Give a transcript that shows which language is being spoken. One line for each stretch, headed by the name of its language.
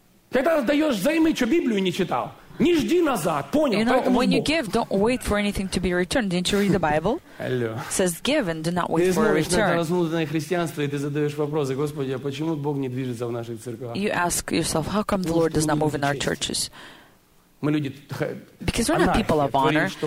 Russian: Когда даешь займы, что Библию не читал, не жди назад, понял?
English: You know, when you give, don't wait for anything to be returned. Didn't you read the Bible? It says, give and do not wait for a return.
Russian: Ты знаешь, это разнузданное христианство, и ты задаешь вопросы, Господи, а почему Бог не движется в наших церквах?
English: You ask yourself, how come the Lord does not move in our churches? Because we're not people of honor.